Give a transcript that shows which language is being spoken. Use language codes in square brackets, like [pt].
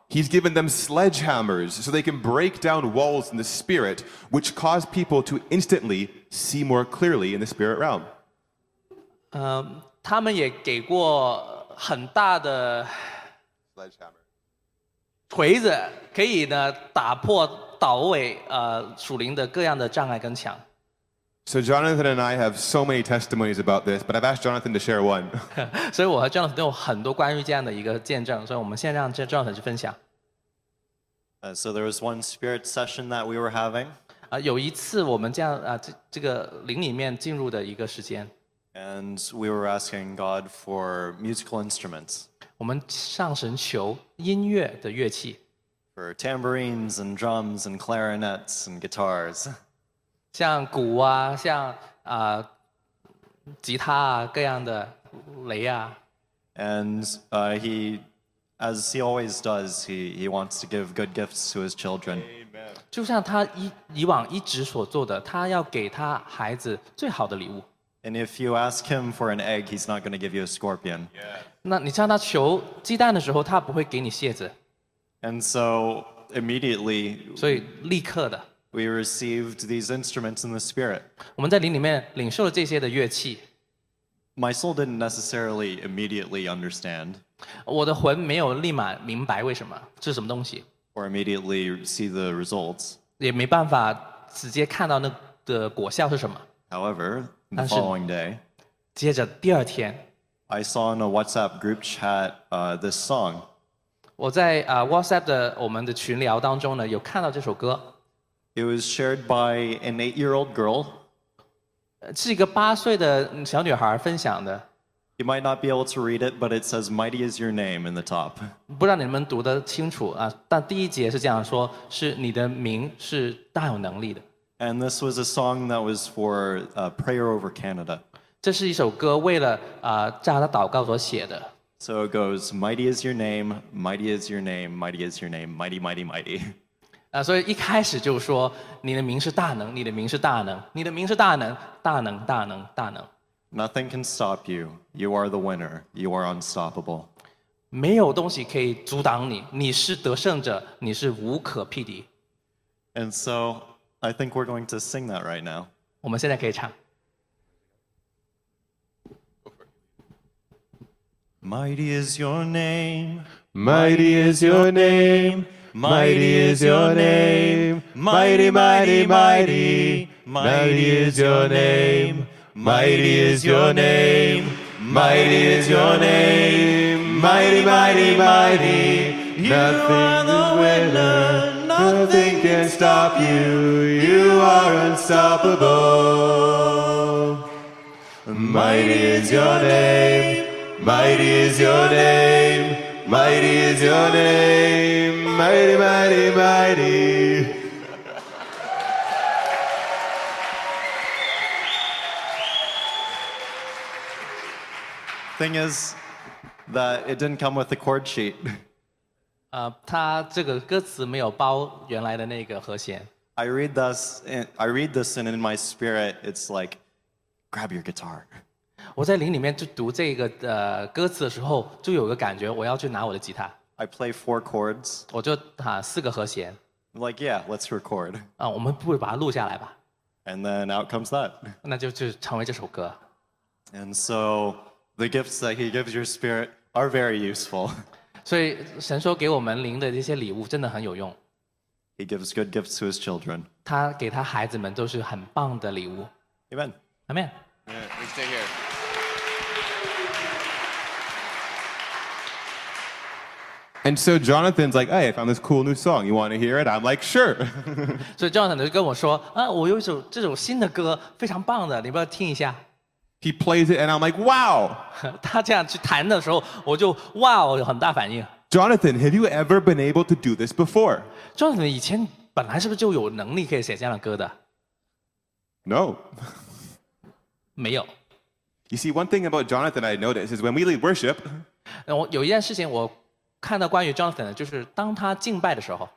[en] He's given them sledgehammers so they can break down walls in the spirit which cause people to instantly see more clearly in the spirit realm. [zh] 他们也给过很大的 [en] sledgehammer. [zh] 锤子可以呢打破倒尾属灵的各样的障碍跟墙。 [en] So Jonathan and I have so many testimonies about this, but I've asked Jonathan to share one. [zh] 所以我和 Jonathan 都有很多关于这样的一个见证，所以我们先让 Jonathan 去分享。 [en] So there was one spirit session that we were having. [zh] 有一次我们这样这个灵里面进入的一个时间。 [en] And we were asking God for musical instruments. [zh] 我们上神求音乐的乐器 [en] ，for tambourines and drums and clarinets and guitars， [zh] 像鼓啊，像吉他啊，各样的雷啊。 [en] And he, as he always does, he wants to give good gifts to his children. Amen. [zh] 就像他以往一直所做的，他要给他孩子最好的礼物。 [en] And if you ask him for an egg, he's not going to give you a scorpion. Yeah. [zh] 那你向他求鸡蛋的时候，他不会给你蟹子。 [en] And so immediately, [zh] 所以立刻的 [en] ，we received these instruments in the spirit. [zh] 我们在灵里面领受了这些的乐器。 [en] My soul didn't necessarily immediately understand. [zh] 我的魂没有立马明白为什么是什么东西。 [en] Or immediately see the results. [zh] 也没办法直接看到那的果效是什么。 [en] However, the following day, [zh] 接着第二天。 [en] I saw in a WhatsApp group chat this song. [zh] 我在WhatsApp 的我们的群聊当中呢，有看到这首歌。 [en] It was shared by an 8-year-old girl. [zh] 是一个八岁的小女孩分享的。 [en] You might not be able to read it, but it says "Mighty is your name" in the top. [zh] 不知道你们读得清楚啊，但第一节是这样说：是你的名是大有能力的。 [en] And this was a song that was for prayer over Canada. [zh] 这是一首歌为了加拿大祷告所写的。 [en] So it goes, mighty is your name, mighty is your name, mighty is your name, mighty, mighty, mighty. [zh] 所以一开始就说你的名是大能，你的名是大能，你的名是大能，大能，大能，大能。 [en] Nothing can stop you. You are the winner. You are unstoppable. [zh] 没有东西可以阻挡你，你是得胜者，你是无可匹敌。 [en] And so I think we're going to sing that right now. [zh] 我们现在可以唱。 [en] Mighty is your name, mighty is your name, mighty is your name, mighty, mighty, mighty, mighty is your name, mighty is your name, mighty is your name, mighty, mighty, mighty, you are the winner, nothing can stop you, you are unstoppable, mighty is your name. Mighty is your name, mighty is your name, mighty, mighty, mighty. Thing is that it didn't come with the chord sheet. [zh] 它这个歌词没有包原来的那个和弦。 [en] I read this, and in my spirit, it's like, grab your guitar. [zh] 我在灵里面就读这个歌词的时候，就有个感觉，我要去拿我的吉他。 [en] I play four chords. [zh] 我就打四个和弦。 [en] Like, yeah, let's record. [zh] 啊，我们不如把它录下来吧。 [en] And then out comes that. [zh] 那就成为这首歌。 [en] And so the gifts that he gives your spirit are very useful. [zh] 所以神说给我们灵的这些礼物真的很有用。 [en] He gives good gifts to his children. [zh] 他给他孩子们都是很棒的礼物。 [en] Amen. Amen. Yeah, let's stay here. And so Jonathan's like, hey, I found this cool new song. You want to hear it? I'm like, sure. [zh] 所以 Jonathan 就跟我说，啊，我有一首这首新的歌，非常棒的，你不要听一下。 [en] He plays it, and I'm like, wow. [zh] 他这样去弹的时候，我就 wow 很大反应。 [en] Jonathan, have you ever been able to do this before? [zh] Jonathan 以前本来是不是就有能力可以写这样的歌的？ [en] No. [zh] 没有。 [en] You see, one thing about Jonathan I noticed is when we lead worship. [zh] 有一件事情我看到关于 Jonathan 的，就是当他敬拜的时候。